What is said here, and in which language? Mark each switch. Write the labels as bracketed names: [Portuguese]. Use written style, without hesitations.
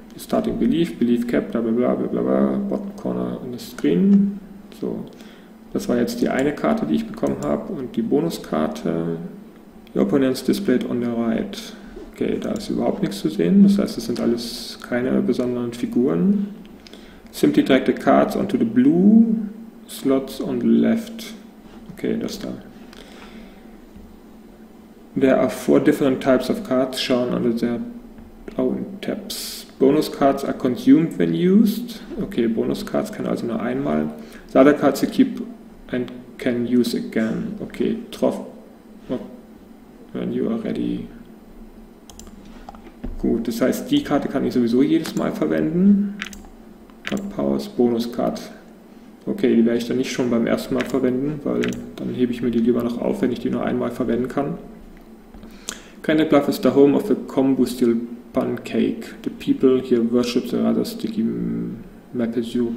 [English] Starting Belief, Belief Cap, bla bla bla bla bla, bottom corner on the screen. So. [German] Das war jetzt die eine Karte, die ich bekommen habe, und die Bonuskarte. [English] Your opponent's displayed on the right. Okay, [German] da ist überhaupt nichts zu sehen. Das heißt, es sind alles keine besonderen Figuren. [English] Simply drag the cards onto the blue slots on the left. Okay, [German] das da. [English] There are 4 different types of cards shown under their own tabs. Bonus cards are consumed when used. Okay, Bonus cards [German] kann also nur einmal. [English] Other cards you keep and can use again. Okay, drop when you are ready. [German] Gut, das heißt, die Karte kann ich sowieso jedes Mal verwenden. Pause, Bonus Card. Okay, die werde ich dann nicht schon beim ersten Mal verwenden, weil dann hebe ich mir die lieber noch auf, wenn ich die nur einmal verwenden kann. [English] Kind of Bluff is the home of the Combustible Pancake. The people here worship the rather sticky map is you.